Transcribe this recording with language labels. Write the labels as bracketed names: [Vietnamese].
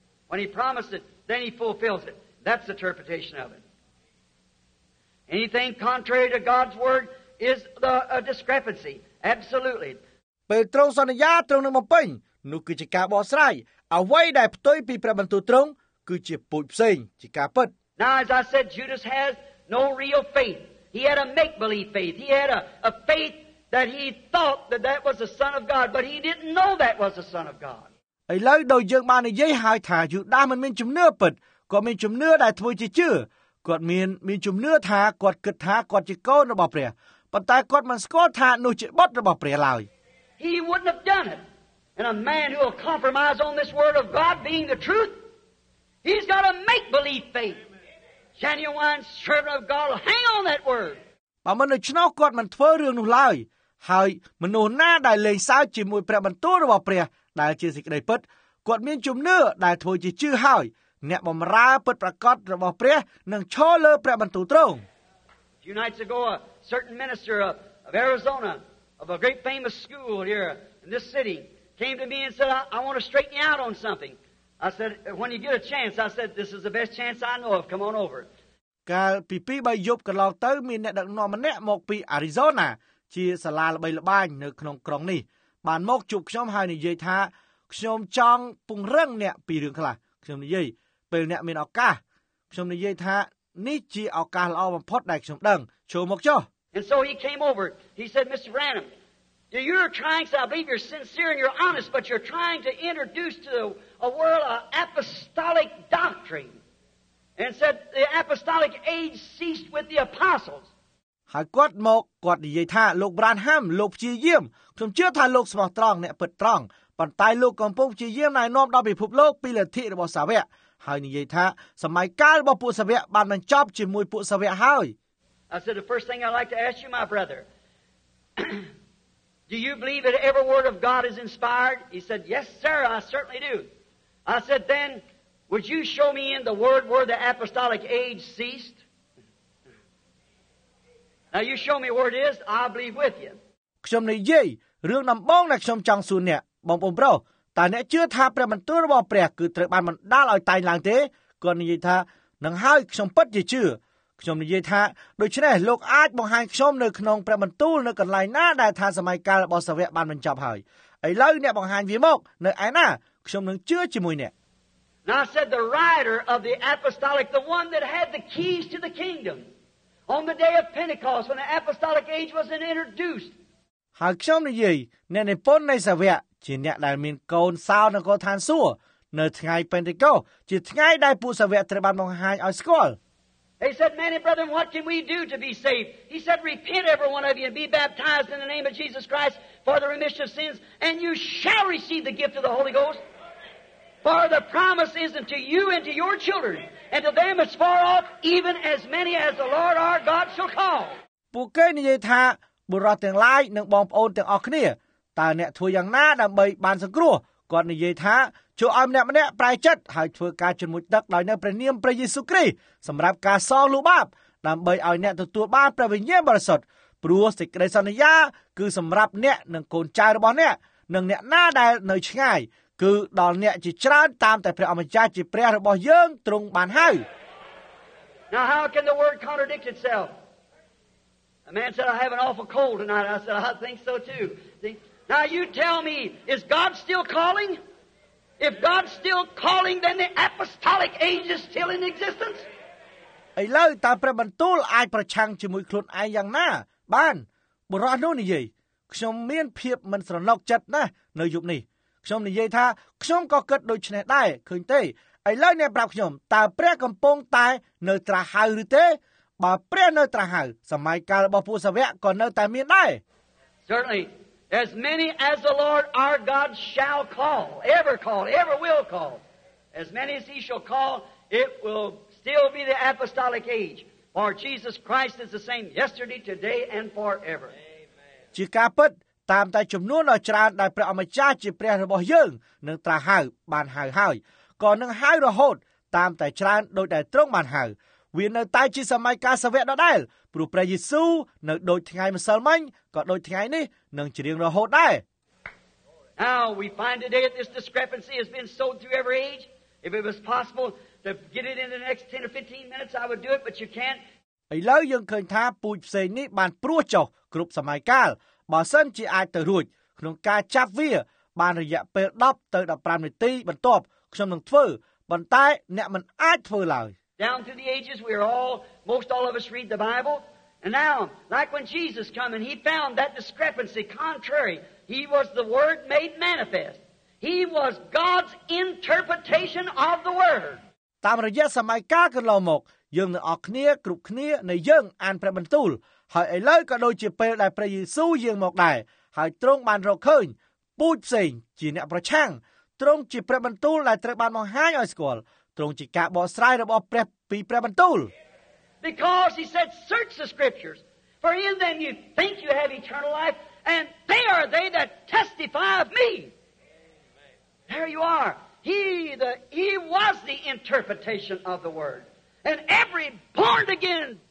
[English] when he promised it, then he fulfills it. That's the interpretation of it. Anything contrary to God's word,is the discrepancy absolutely [Khmer] ពេលត្រង់សន្យាត្រង់នឹងបំពេញនោះគឺជាការបោះស្រាយអ្វីដែលផ្ទុយពីព្រះបន្ទូលត្រង់គឺជាពូជផ្សេងជាការពិត [English] Now as I said Judas has no real faith he had a make believe faith he had a faith that he thought that was the son of God but he didn't know that was the son of God [Khmer] ឥឡូវដោយយើងបាននិយាយហើយថាយូដាមិនមានជំនឿពិតក៏មានជំនឿដែលធ្វើជាជឿគាត់មានជំនឿថាគាត់គិតថាគាត់ជាកូនរបស់ព្រះប៉ុន្តែគាត់មិនស្គាល់ថានោះជាបុត្ររបស់ព្រះឡើយ [English] He wouldn't have done it. And a man who will compromise on this word of God being the truth, he's got a make believe faith. Genuine servant of God will hang on that word. [Khmer] បើមិនដូច្នោះគាត់មិនធ្វើរឿងនោះឡើយហើយមនុស្សណាដែលលែងសើចជាមួយព្រះបន្ទូលរបស់ព្រះដែលជាសេចក្តីពិតគាត់មានជំនឿដែលធ្វើជាជឿហើយអ្នកបម្រើពិតប្រាកដរបស់ព្រះនឹងឈរលើព្រះបន្ទូលត្រង់ [English] few nights ago, a certain minister of Arizona, of a great famous school here in this city, came to me and said, I want to straighten you out on something. I said, when you get a chance, I said, this is the best chance I know of. Come on over. [Khmer] កាលពី 2-3 យប់កន្លងទៅមានអ្នកដឹកនាំម្នាក់មកពី Arizona ជាសាលាល្បីល្បាញនៅក្នុងក្រុងនេះបានមកជួបខ្ញុំហើយនិយាយថាខ្ញុំចង់ពង្រឹងអ្នកពីរឿងខ្លះខ្ញុំនិយាយពេលអ្នកមានឱកាសខ្ញុំនិយាយថានេះជាឱកាសល្អបំផុតដែលខ្ញុំដឹងចូលមកចុះ [English] And so he came over. He said, Mr. Branham, you're trying, so I believe you're sincere and you're honest, but you're trying to introduce to a world an apostolic doctrine. And said the apostolic age ceased with the apostles. [Khmer] ហើយគាត់មកគាត់និយាយថាលោក Branham លោកព្យាយាមខ្ញុំជឿថាលោកស្មោះត្រង់អ្នកពិតត្រង់ប៉ុន្តែលោកកំពុងព្យាយាមណែនាំដល់ពិភពលោកពីលទ្ធិរបស់សាវកហើយនិយាយថាសម័យកាលរបស់ពួកសាវកបានបញ្ចប់ជាមួយពួកសាវកហើយ [English] I said the first thing I'd like to ask you my brother Do you believe that every word of God is inspired? He said yes sir I certainly do. I said thenWould you show me in the word where the apostolic age ceased? Now you show me where it is, I'll believe with you. [Khmer] ខ្ញុំនិយាយរឿងដំបូងដែលខ្ញុំចង់សួរអ្នកបងប្អូនប្រុសតើអ្នកជឿថាព្រះបន្ទូលរបស់ព្រះគឺត្រូវបានបណ្ដាលឲ្យតែងឡើងទេគាត់និយាយថានឹងហើយខ្ញុំពិតជាជឿខ្ញុំនិយាយថាដូច្នេះលោកអាចបង្ហាញខ្ញុំនៅក្នុងព្រះបន្ទូលនៅកន្លែងណាដែលថាសម័យកាលរបស់សាវកបានបញ្ចប់ហើយឥឡូវអ្នកបង្ហាញវាមកនៅឯណាខ្ញុំនឹងជឿជាមួយអ្នក [English] Now I said the writer of the apostolic, the one that had the keys to the kingdom, on the day of Pentecost, when the apostolic age was introduced. [Khmer] ហើយខ្ញុំនិយាយអ្នកនិពន្ធនៃសាវកជាអ្នកដែលមានកូនសោនៅកោឋានសួគ៌នៅថ្ងៃពេនទេកូសជាថ្ងៃដែលពួកសាវកត្រូវបានបង្ហាញឲ្យស្គាល់ [English] He said, many brethren, what can we do to be saved? He said, repent every one of you and be baptized in the name of Jesus Christ for the remission of sins, and you shall receive the gift of the Holy Ghost. For the promise is unto you and to your children, and to them as far off, even as many as the Lord our God shall call. [Khmer] ពួកគេនិយាយថាបុរសទាំងឡាយនិងបងប្អូនទាំងអស់គ្នាតើអ្នកធ្វើយ៉ាងណាដើម្បីបានសង្គ្រោះគាត់និយាយថាចូលឲ្យម្នាក់ៗប្រែចិត្តហើយធ្វើការជំនួយទឹកដោយនៅព្រះនាមព្រះយេស៊ូវគ្រីស្ទសម្រាប់ការសងលុបបាបដើម្បីឲ្យអ្នកទទួលបានព្រះវិញ្ញាណបរិសុទ្ធព្រោះសេចក្តីសន្យាគឺសម្រាប់អ្នកនិងកូនចៅរបស់អ្នកនិងអ្នកណាដែលនៅឆ្ងាយគឺដល់អ្នកជាច្រើនតាមតែព្រះអម្ចាស់ជាព្រះរបស់យើងទ្រង់បានហៅ [English] Now how can the word contradict itself? A man said I have an awful cold tonight. I said I think so too. Now you tell me, is God still calling? If God's still calling, then the apostolic age is still in existence? [Khmer] ឥឡូវតើព្រះបន្ទូលអាចប្រឆាំងជាមួយខ្លួនឯងយ៉ាងណាបានបរិះនោះនិយាយខ្ញុំមានភាពមិនស្រណុកចិត្តណាស់នៅយប់នេះខ្ញុំនិយាយថាខ្ញុំក៏គិតដូចនេះដែរឃើញទេឥឡូវអ្នកប្រាប់ខ្ញុំតើព្រះកំពុងតែនៅត្រាស់ហៅឬទេបើព្រះនៅត្រាស់ហៅសម័យកាលរបស់ពួកសាវកក៏នៅតែមានដែរ [English] Certainly as many as the Lord our God shall call ever will call as many as he shall call it will still be the apostolic age for Jesus Christ is the same yesterday today and forever [Khmer] ជាការពិតតាមតែចំនួនដ៏ច្រើនដែលព្រះអម្ចាស់ជាព្រះរបស់យើងនឹងត្រាស់ហៅបានហៅហើយក៏នឹងហៅរហូតតាមតែច្រើនដោយដែលទ្រង់បានហៅវានៅតែជាសម័យកាលសាវកដដែលព្រោះព្រះយេស៊ូវនៅដូចថ្ងៃម្សិលមិញក៏ដូចថ្ងៃនេះនឹងជារៀងរហូតដែរ [English] Now we find today that this discrepancy has been sowed through every age. If it was possible to get it in the next 10 or 15 minutes I would do it but you can't [Khmer] ឥឡូវយើងឃើញថាពូជផ្សេងនេះបានព្រោះចុះគ្រប់សម័យកាលបើសិនជាអាចទៅរួចក្នុងការចាប់វាបានរយៈពេល10ទៅ15នាទីបន្ទាប់ខ្ញុំនឹងធ្វើប៉ុន្តែអ្នកមិនអាចធ្វើឡើយ [English] Down through the ages we are all most all of us read the Bible and now like when Jesus came and he found that discrepancy contrary he was the word made manifest he was God's interpretation of the word [Khmer] តាមរយៈសម័យកាលកន្លងមកយើងនឹងអស់គ្នាគ្រប់គ្នានៅយើងអានព្រះបន្ទូលហើយឥឡូវក៏ដូចជាពេលដែលព្រះយេស៊ូវយាងមកដែរហើយទ្រង់បានរកឃើញពូជផ្សេងជាអ្នកប្រឆាំងទ្រង់ជាព្រះបន្ទូលដែលត្រូវបានបង្ហាញឲ្យស្គាល់ទ្រង់ជាការបកស្រាយរបស់ព្រះពីព្រះបន្ទូល [English] Because he said search the scriptures for in them you think you have eternal life and they are they that testify of me There you are he was the interpretation of the word and every born again